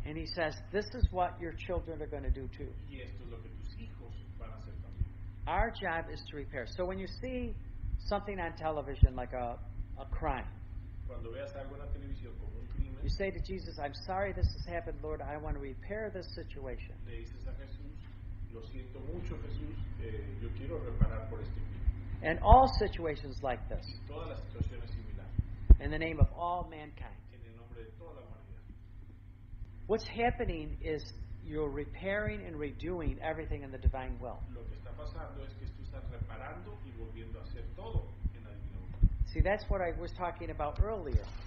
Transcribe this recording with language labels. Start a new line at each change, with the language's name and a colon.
English: And he says, this is what your children are going to do too.
Spanish: Y esto es lo que tus hijos van a hacer también.
English: Our job is to repair. So when you see something on television like a crime,
Spanish: cuando veas algo en la televisión como un crimen,
English: you say to Jesus, I'm sorry this has happened, Lord, I want to repair this situation.
Spanish: Le dices a Jesús, lo siento mucho, Jesús, yo quiero reparar por este crimen.
English: And all situations like this,
Spanish: y todas las situaciones similares,
English: in the name of all mankind,
Spanish: en el nombre de toda la humanidad.
English: What's happening is you're repairing and redoing everything in the divine will.
Spanish: Lo que está pasando es que tú estás reparando y volviendo a hacer todo.
English: See, that's what I was talking about earlier.